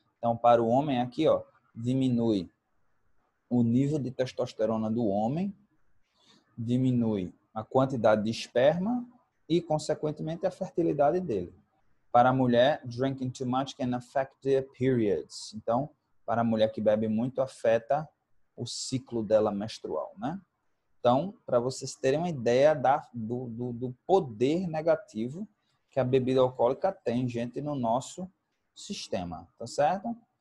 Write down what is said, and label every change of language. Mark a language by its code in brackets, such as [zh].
[pt] Então, para o homem aqui, ó, diminui o nível de testosterona do homem, diminui a quantidade de esperma e, consequentemente, a fertilidade dele. Para a mulher, [en] drinking too much can affect their periods. [pt] Então, para a mulher que bebe muito, afeta o ciclo dela menstrual, né? Então, para vocês terem uma ideia do poder negativo que a bebida alcoólica tem, gente, no nosso sistema, tá certo?